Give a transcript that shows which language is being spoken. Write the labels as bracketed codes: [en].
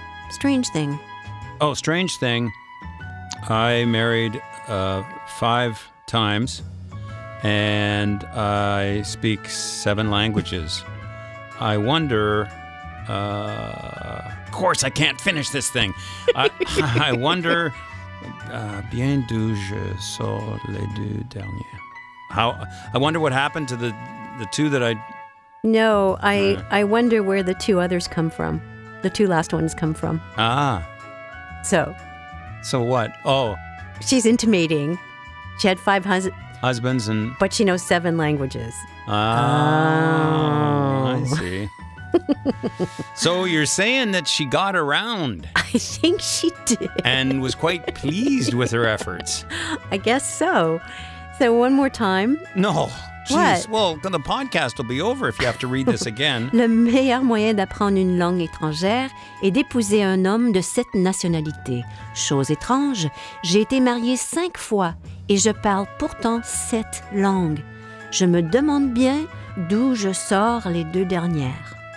[en] Strange thing. Oh, strange thing. I married 5 times, and I speak 7 languages. I wonder, of course I can't finish this thing. [fr] I wonder, bien d'où je sors les deux derniers. [en] I wonder what happened to the two that I... No, I wonder where the two others come from. The two last ones come from. Ah. So what? Oh. She's intimating. She had 5 husbands and... But she knows 7 languages. Ah. Oh. I see. So you're saying that she got around? I think she did. And was quite pleased with her efforts. I guess so. So one more time. No. Jeez. Well, the podcast will be over if you have to read this again. [fr] Le meilleur moyen d'apprendre une langue étrangère est d'épouser un homme de cette nationalité. Chose étrange, j'ai été mariée 5 fois et je parle pourtant 7 langues. Je me demande bien d'où je sors les 2 dernières.